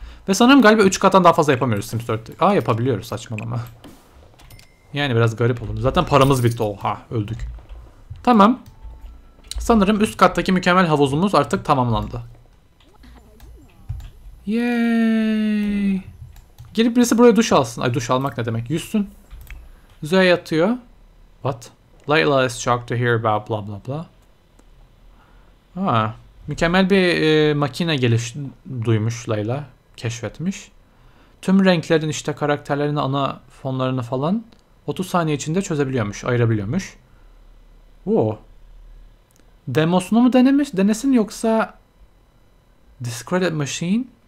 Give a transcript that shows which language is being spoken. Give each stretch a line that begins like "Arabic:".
Turkish: Ve sanırım galiba 3 kattan daha fazla yapamıyoruz Sims 4'te. Aa, yapabiliyoruz, saçmalama. Yani biraz garip olurdu. Zaten paramız bitti, oha öldük. Tamam. Sanırım üst kattaki mükemmel havuzumuz artık tamamlandı. Yay. Gelip birisi buraya duş alsın. Ay, duş almak ne demek? Yüzsün. Zoe yatıyor.
English: What? Layla is shocked to hear about blah blah blah. Ha.
Turkish: Mükemmel bir makine duymuş Layla. Keşfetmiş. Tüm renklerin işte karakterlerini, ana fonlarını falan 30 saniye içinde çözebiliyormuş, ayırabiliyormuş. Woo. Demosunu mu denemiş? Denesin yoksa Discredit Machine?